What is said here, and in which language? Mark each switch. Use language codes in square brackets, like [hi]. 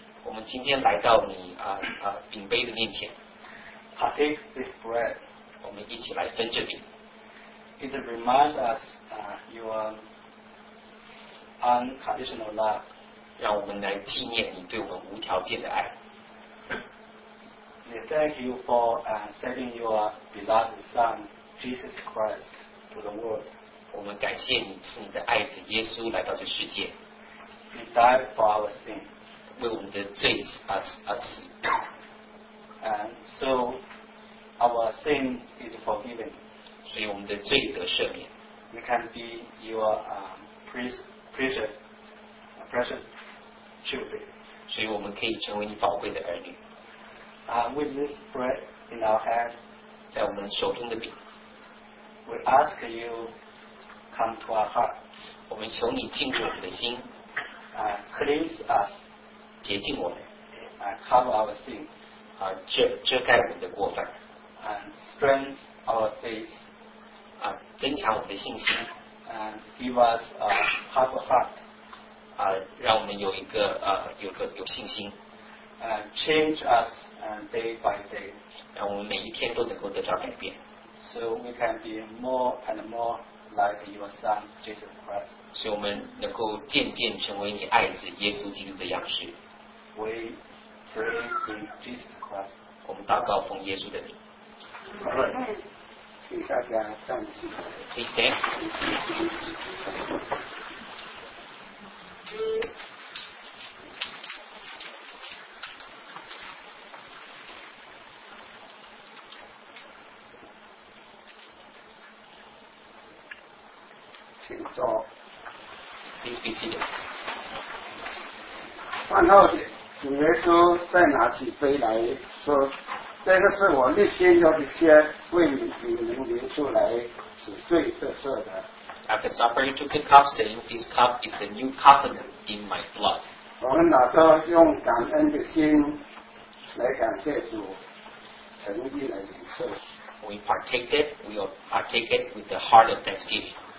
[zh] 我们今天来到你饼杯的面前。 [en] partake this bread. [zh] 我们一起来分这饼。 [en] It reminds us your unconditional love. [zh] 让我们来纪念你对我们无条件的爱。 [en] We thank you for sending your beloved Son Jesus Christ to the world. [zh] 我们感谢你赐你的爱子耶稣来到这世界。 [en] He died for our sin. [zh] 为我们的罪而死。 [en] And so our sin is forgiven. [zh] 所以我们的罪得赦免。 [en] We can be your precious children. [zh] 所以我们可以成为你宝贵的儿女。 [en] With this bread in our hand, [zh] 在我们手中的饼 [en] we ask you come to our heart. [zh] 我们求你进入我们的心 [en] cleanse us, [zh] 洁净我们 [en] cover our sin, [zh] 遮盖我们的过犯 [en] strength our faith, [zh] 增强我们的信心 [en] give us a humble heart, [zh] 让我们有一个有信心 [en] change us. Day by day, [zh] 让我们每一天都能够得到改变。 [en] So we can be more and more like your Son Jesus Christ. [zh] 所以我们能够渐渐成为你爱子耶稣基督的样式。 [en] We pray in Jesus Christ. [zh] 我们祷告奉耶稣的名。请大家站起来。 [en] Please stand. Please be seated. [zh] 饭后，主耶稣再拿起杯来说：“这个是我预先要的血，为你们流出来，使罪得赦的。” [en] After supper, he took a cup, saying, "This cup is the new covenant in my blood." [zh] 我们拿着用感恩的心来感谢主，诚意来领受。 [en] We partake it. We partake it with the heart of thanksgiving.